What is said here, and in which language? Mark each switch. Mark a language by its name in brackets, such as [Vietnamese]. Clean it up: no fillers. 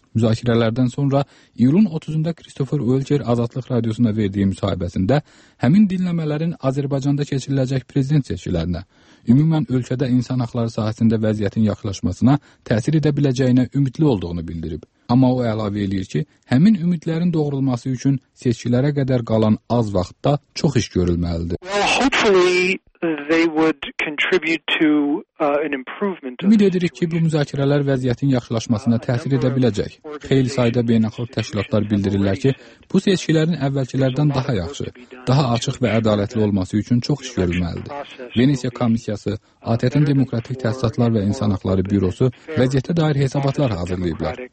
[Azerbaijani] Müzakirələrdən sonra iyulun 30-da Christopher Walker Azadlıq Radiosuna verdiyi müsahibəsində həmin dinləmələrin Azərbaycanda keçiriləcək prezident seçkilərinə, ümumən ölkədə insan haqları sahəsində vəziyyətin yaxşılaşmasına təsir edə biləcəyinə ümidli olduğunu bildirib. Amma o əlavə edir ki, həmin ümidlərin doğrulması üçün seçkilərə qədər qalan az vaxtda çox iş görülməlidir. [English] they would contribute to an improvement. [Azerbaijani] Ümid edirik ki, bu müzakirələr vəziyyətin yaxşılaşmasına təsir edə biləcək. Xeyli sayda beynəlxalq təşkilatlar bildirirlər ki, bu seçkilərin əvvəlkilərdən daha yaxşı, daha açıq və ədalətli olması üçün çox iş görülməlidir. Venesiya Komissiyası, ATƏT-in Demokratik Təsisatlar və İnsan Haqları Bürosu vəziyyətə dair hesabatlar hazırlayıblar.